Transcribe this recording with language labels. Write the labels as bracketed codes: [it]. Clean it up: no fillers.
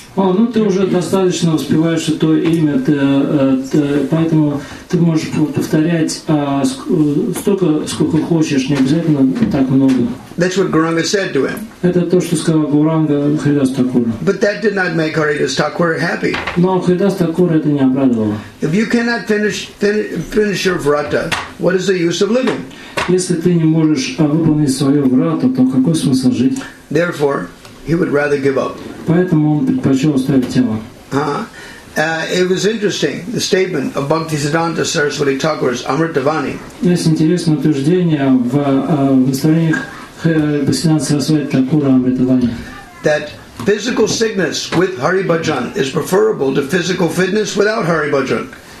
[ru] Ну ты уже достаточно успеваешь это имя, поэтому ты можешь повторять столько, сколько хочешь, не обязательно так много. [en] That's what Gauranga said to him. [ru] Это то, что сказал Гауранга Харидас Такуру. [en] But that did not make Харидас Такура happy. [ru] Но Харидас Такура это не обрадовало. [en] If you cannot finish your vrata, what is the use of living? [ru] Если ты не можешь выполнить свое врата, то какой смысл жить? [en] Therefore, he would rather give up. [ru] Поэтому он предпочел оставить тело. [en] It was interesting, the statement of Bhaktisiddhanta Saraswati Thakur's Amritavani. [ru] Есть интересное утверждение в настроениях Бхактисиддханта Сарасвати Такура Амритавани. [en] That physical sickness with Hari Bhajan is preferable to physical fitness without Hari Bhajan.